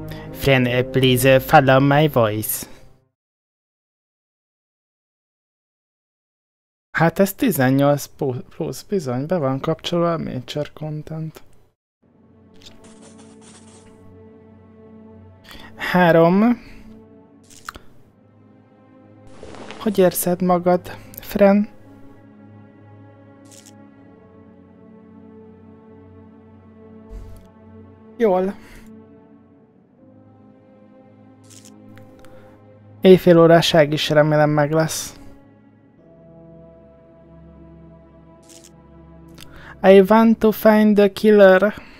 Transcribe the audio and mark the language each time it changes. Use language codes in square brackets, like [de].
[en] Friend, please follow my voice. [hu] Hát ez 18 plusz bizony, be van kapcsolva a Mature Content. 3. Hogy érzed magad, Friend? Jól. Éjfél óráság is remélem meg lesz. [en] I want to find the killer.